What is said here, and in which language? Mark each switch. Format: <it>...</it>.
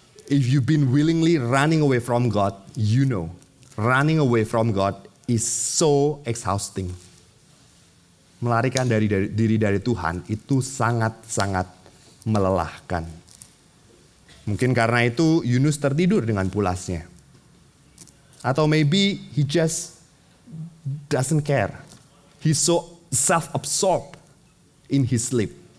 <en>If you've been willingly running away from God, you know, running away from God is so exhausting.</en> <id>Melarikan diri dari Tuhan itu sangat-sangat melelahkan. Mungkin karena itu Yunus tertidur dengan pulasnya.</id> <en>Atau maybe he just doesn't care. He's so self-absorbed in his sleep.</en>